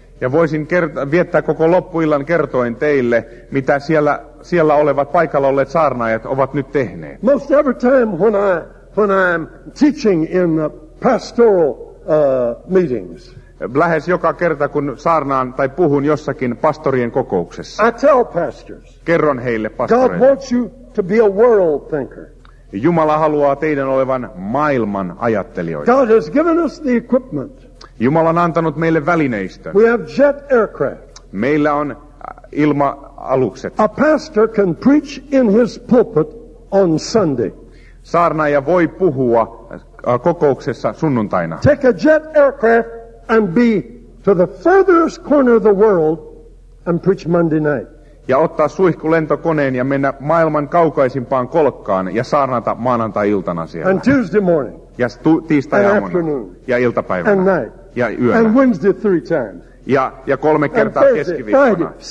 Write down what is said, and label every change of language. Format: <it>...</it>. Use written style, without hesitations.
<fi>Ja voisin viettää koko loppuillan kertoen teille, mitä siellä olevat paikalla olleet saarnaajat ovat nyt tehneet.</fi> <en>Most every time when I'm teaching in pastoral meetings.</en> <fi>Lähes joka kerta, kun saarnaan tai puhun jossakin pastorien kokouksessa.</fi> <en>I tell pastors.</en> <fi>Kerron heille pastoreille.</fi> <en>God wants you to be a world thinker.</en> <fi>Jumala haluaa teidän olevan maailman ajattelijoita.</fi> <en>God has given us the equipment.</en> <fi>Jumala on antanut meille välineistön.</fi> <en>We have jet aircraft.</en> <fi>Meillä on ilma-alukset.</fi> <en>A pastor can preach in his pulpit on Sunday.</en> <fi>Saarnaaja voi puhua kokouksessa sunnuntaina.</fi> <en>Take a jet aircraft and be to the furthest corner of the world and preach Monday night.</en> <fi>Ja ottaa suihkulentokoneen ja mennä maailman kaukaisimpaan kolkkaan ja saarnata maanantai-iltana siellä.</fi> <en>And Tuesday morning.</en> <fi>Ja tiistai-aamuna. Ja iltapäivänä.</fi> <en>And night.</en> <fi>Ja yöllä.</fi> <en>And Wednesday three times.</en> <fi>Ja kolme kertaa keskiviikkona.</fi>